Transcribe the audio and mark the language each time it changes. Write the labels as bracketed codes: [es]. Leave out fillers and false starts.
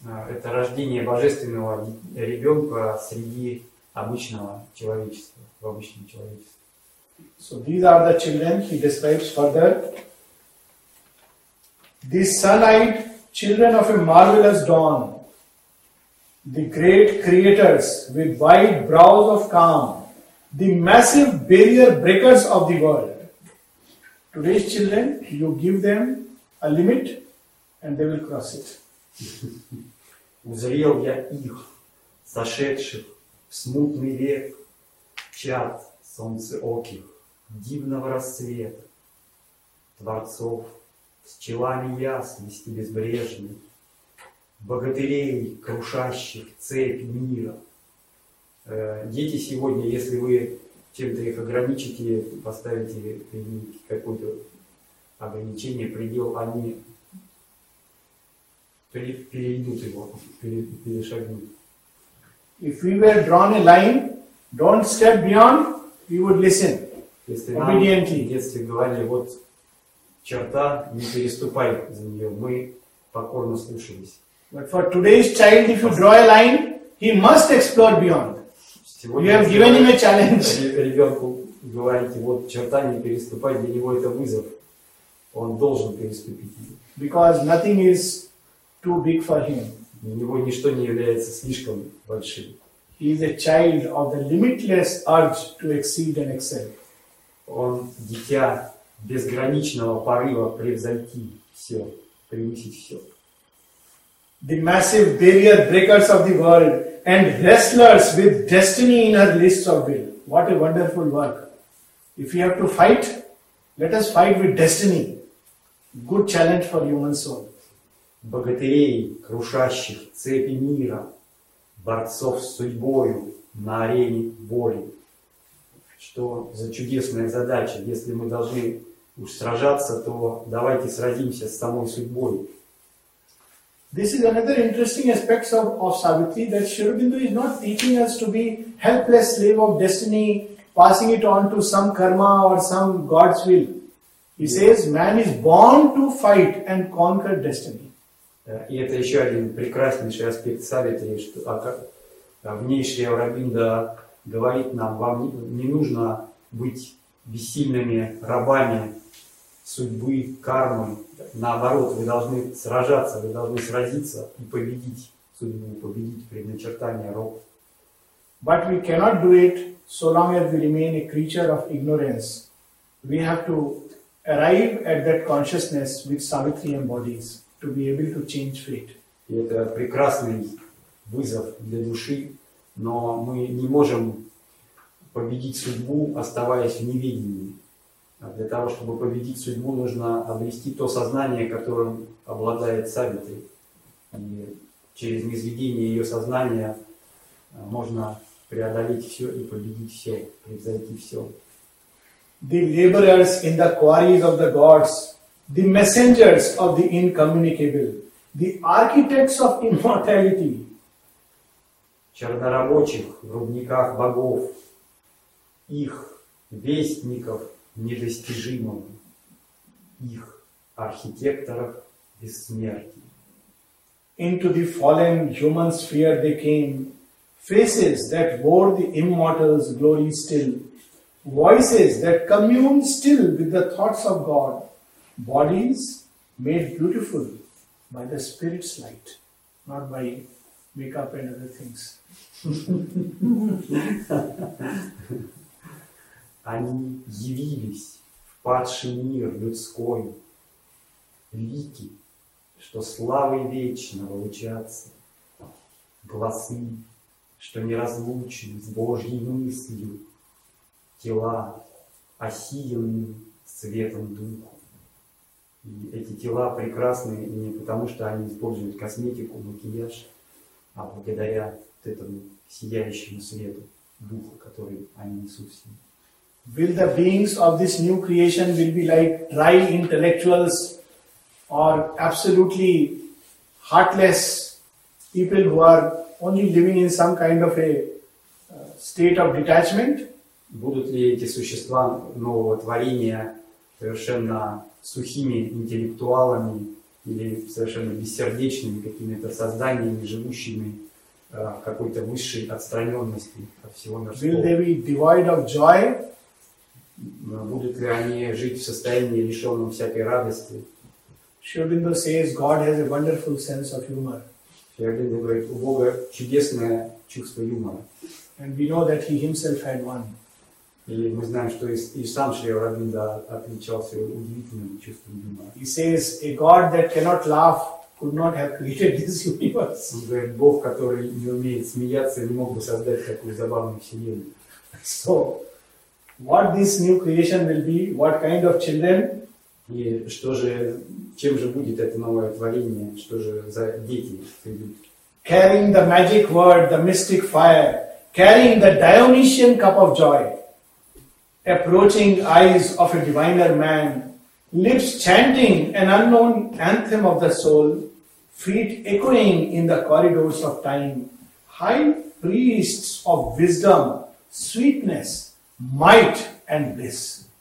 [ru] Это рождение божественного ребенка среди обычного человечества, в обычном человечестве. [en] So these are the children he describes further. These sun-eyed children of a marvelous dawn, the great creators with wide brows of calm, the massive barrier breakers of the world. Today's children, you give them a limit and they will cross it. [ru] Узрел я их, сошедших в смутный век, чад солнце оких. Дивного расцвета, творцов, с челами ясности безбрежной, богатырей, крушащих цепь мира. Дети сегодня, если вы чем-то их ограничите, поставите какое-то ограничение, предел, они перейдут его, перешагнут. [en] If we were drawn a line, don't step beyond, we would listen. [ru] Если [en] Obediently. [ru] Нам в детстве говорили, вот черта, не переступай за нее, мы покорно слушались. [en] But for today's child, if you draw a line, he must explore beyond. [ru] Сегодня [en] you have given him a challenge. [ru] Ребенку говорите, вот черта, не переступай, для него это вызов. Он должен переступить. [en] Because nothing is too big for him. [ru] Для него ничто не является слишком большим. [en] He is a child of the limitless urge to exceed and excel. [ru] Он дитя безграничного порыва превзойти все, превысить все. [en] The massive barrier breakers of the world and wrestlers with destiny in her lists of will. What a wonderful work. If you have to fight, let us fight with destiny. Good challenge for human soul. [ru] Богатырей, крушащих цепи мира, борцов с судьбою на арене боли. Что за чудесная задача, если мы должны уж сражаться, то давайте сразимся с самой судьбой. [en] This is another interesting aspect of Savitri, that Sri Aurobindo is not teaching us to be helpless slave of destiny, passing it on to some karma or some God's will. He says, man is born to fight and conquer destiny. [ru] И это еще один прекраснейший аспект Савитри, что в ней Шри Аурабинда говорит нам, вам не нужно быть бессильными рабами судьбы, кармы. Наоборот, вы должны сражаться, вы должны сразиться и победить судьбу, победить предначертание рук. [en] But we cannot do it so long as we remain a creature of ignorance. We have to arrive at that consciousness which Savitri embodies to be able to change fate. [ru] И это прекрасный вызов для души, но мы не можем победить судьбу, оставаясь в неведении. А для того, чтобы победить судьбу, нужно обрести то сознание, которым обладает Савитри. И через низведение ее сознания можно преодолеть все и победить все, превзойти все. [en] The laborers in the quarries of the gods, the messengers of the incommunicable, the architects of immortality. [ru] Чернорабочих в рудниках богов, их вестников недостижимым, их архитекторов бессмертия. [en] Into the fallen human sphere they came, faces that wore the immortal's glory still, voices that communed still with the thoughts of God, bodies made beautiful by the spirit's light, not by makeup and other things. [ru] Они явились в падший мир людской, лики, что славой вечного лучатся, голосы, что неразлучны с Божьей мыслью, тела, осиянные светом духа. И эти тела прекрасны не потому, что они используют косметику, макияж, а благодаря вот этому сияющему свету духа, который они несут в себе. [en] Will the beings of this new creation will be like dry intellectuals or absolutely heartless people who are only living in some kind of a state of detachment? [ru] Будут ли эти существа нового творения совершенно сухими интеллектуалами или совершенно бессердечными какими-то созданиями, живущими в какой-то высшей отстраненности от всего мирского? [en] Will they be devoid of joy? [ru] Будут ли они жить в состоянии, лишенном всякой радости? [en] Шривинда says God has a wonderful sense of humor. [ru] Шривинда говорит, у Бога чудесное чувство юмора. [en] And we know that he himself had one. [ru] И мы знаем, что и сам Шривинда отличался удивительным чувством юмора. [en] He says a God that cannot laugh could not have created this universe. [ru] Он говорит, Бог, который не умеет смеяться, не мог бы создать такую забавную вселенную. [en] So what this new creation will be? What kind of children? [ru] И что же, чем же будет это новое творение? Что же за дети? [en] Carrying the magic word, the mystic fire, carrying the Dionysian cup of joy, approaching eyes of a diviner man, lips chanting an unknown anthem of the soul, feet echoing in the corridors of time, high priests of wisdom, sweetness, might and bliss.